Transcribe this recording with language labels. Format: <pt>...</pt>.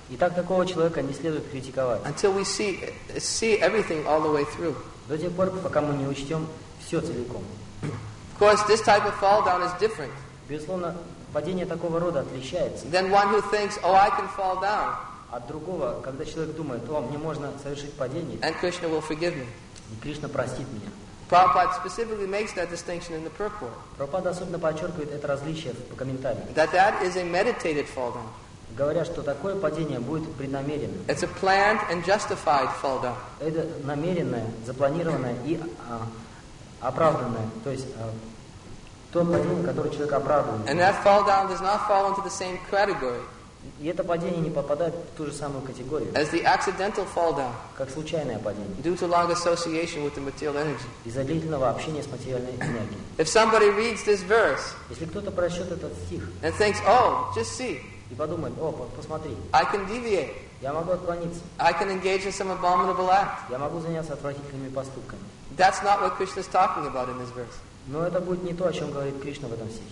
<ru>И так такого человека не следует критиковать.</ru> <en>Until we see everything all the way through.</en> <ru>До тех пор, пока мы не учтем все целиком.</ru> <en>Of course, this type of fall down is different.</en> <ru>Безусловно, падение такого рода отличается.</ru> <en>Then one who thinks, oh, I can fall down.</en> <ru>От другого, когда человек думает, о, мне можно совершить падение.</ru> <en>And Krishna will forgive me.</en> <ru>И Кришна простит меня.</ru> <en>Prabhupada specifically makes that distinction in the purport.</en> <ru>Прабхупада особенно подчеркивает это различие в комментарии.</ru> <en>That is a meditated fall down.</en> <ru>Говоря, что такое падение будет преднамеренным.</ru> <en>It's a planned and justified fall down.</en> <ru>Это намеренное, запланированное и оправданное. То есть то падение, которое человек оправдывает.</ru> <en>And that fall down does not fall into the same category.</en> <ru>И это падение не попадает в ту же самую категорию.</ru> <en>As the accidental fall down,</en> <ru>как случайное падение.</ru> <en>Due to long association with the material energy.</en> <ru>Из-за длительного общения с материальной энергией.</ru> <en>If somebody reads this verse,</en> <ru>если кто-то прочтет этот стих,</ru> <en>and thinks, oh, just see,</en> <ru>и подумает, о, посмотри.</ru> <en>I can deviate.</en> <ru>Я могу отклониться.</ru> <en>I can engage in some abominable act.</en> <ru>Я могу заняться отвратительными поступками.</ru> <en>That's not what Krishna is talking about in this verse.</en> <ru>Но это будет не то, о чем говорит Кришна в этом стихе.</ru>